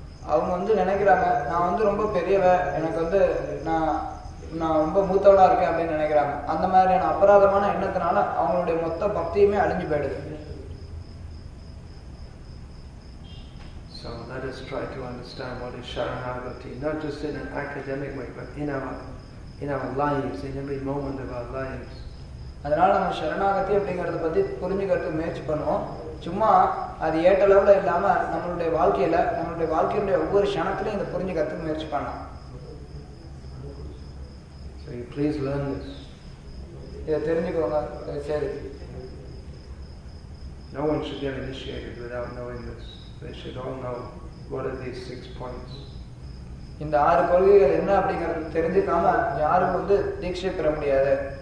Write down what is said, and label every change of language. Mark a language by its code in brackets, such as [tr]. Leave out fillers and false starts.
[ta] அவங்க வந்து நினைக்கிறாங்க நான் வந்து ரொம்ப பெரியவன், எனக்கு வந்து நான் ரொம்ப மூத்தவனா இருக்கேன் அப்படின்னு நினைக்கிறாங்க. அந்த மாதிரியான அபராதமான எண்ணத்தினால அவங்களுடைய மொத்த பக்தியுமே அழிஞ்சு போயிடுது. [en] So let us try to understand what is Sharanagati, not just in an academic way, but in our lives, in every moment of our lives. [ta] அதனால நம்ம சரணாகதி அப்படிங்கறத பத்தி புரிஞ்சுக்கிறதுக்கு முயற்சி பண்ணுவோம். சும்மா அது ஏற்ற அளவுல இல்லாம நம்மளுடைய வாழ்க்கையில நம்மளுடைய வாழ்க்கையினுடைய ஒவ்வொரு க்ஷணத்திலையும் இதை புரிஞ்சுக்கிறதுக்கு முயற்சி பண்ணலாம். [en] So you please learn this. [ta] Yeah, therinjikonga seri. [en] No one should get initiated without knowing this. They should all know what are these six points. [ta] இந்த ஆறு கொள்கைகள் என்ன அப்படிங்கறது தெரிஞ்சிக்காம யாரும் வந்து தீட்சை பெற முடியாது.